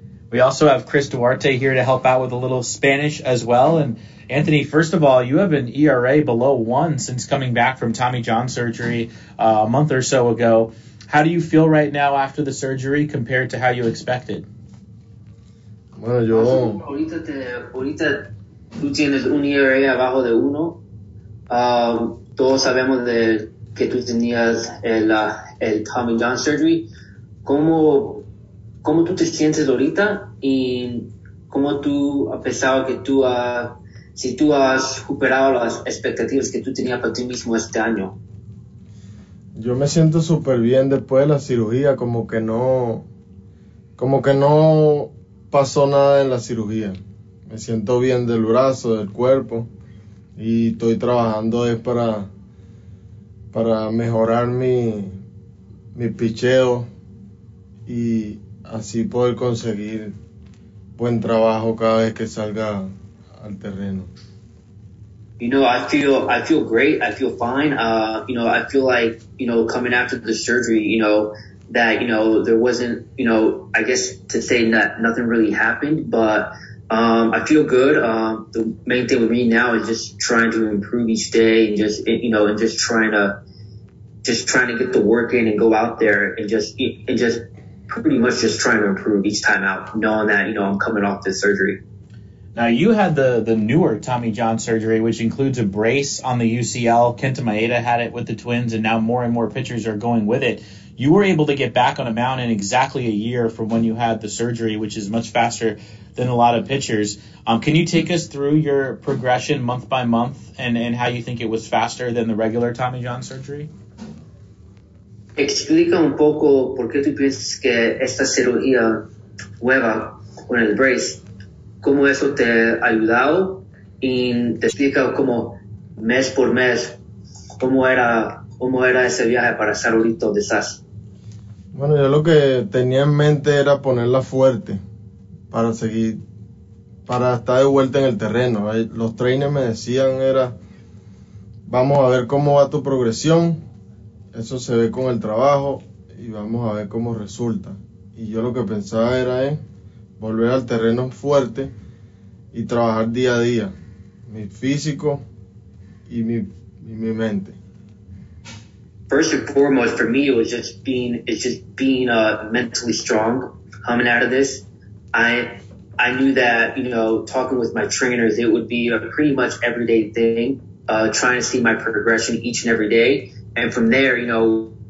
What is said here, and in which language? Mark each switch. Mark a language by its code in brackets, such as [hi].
[en] We also have Chris Duarte here to help out with a little Spanish as well. And Anthony, first of all, you have an ERA below one since coming back from Tommy John surgery a month or so ago. How do you feel right now after the surgery compared to how you expected? [es] Bueno, yo... Ahorita, ahorita tú tienes un ERA abajo de uno. Todos sabemos de que tú tenías el Tommy John surgery. ¿Cómo tú te sientes ahorita y cómo tú has pensado que tú, si tú has superado las expectativas que tú tenías para ti mismo este año? Yo me siento súper bien después de la cirugía, como que no pasó nada en la cirugía. Me siento bien del brazo, del cuerpo, y estoy trabajando para mejorar mi picheo y así poder conseguir buen trabajo cada vez que salga al terreno. [en] You know, I feel great. I feel fine. You know, I feel like, you know, coming after the surgery, you know, that, you know, there wasn't, you know, I guess to say that nothing really happened, but I feel good. The main thing with me now is just trying to improve each day and just, you know, and just trying to get the work in and go out there and just pretty much just trying to improve each time out, knowing that, you know, I'm coming off this surgery. Now, you had the newer Tommy John surgery, which includes a brace on the UCL. Kenta Maeda had it with the Twins, and now more and more pitchers are going with it. You were able to get back on a mound in exactly a year from when you had the surgery, which is much faster than a lot of pitchers. Can you take us through your progression month by month and how you think it was faster than the regular Tommy John surgery? [es] Explica un poco por qué tú piensas que esta cirugía nueva con el brace, cómo eso te ha ayudado y te explica cómo mes por mes, cómo era ese viaje para estar ahorita de SAS. Bueno, yo lo que tenía en mente era ponerla fuerte para estar de vuelta en el terreno. Los trainers me decían era, vamos a ver cómo va tu progresión. Eso se ve con el trabajo y vamos a ver cómo resulta. Y yo lo que pensaba era en volver al terreno fuerte y trabajar día a día, mi físico y mi mente. [en] First and foremost for me, it's just being mentally strong coming out of this. I knew that, you know, talking with my trainers, it would be a pretty much everyday thing, trying to see my progression each and every day. And from there, you know,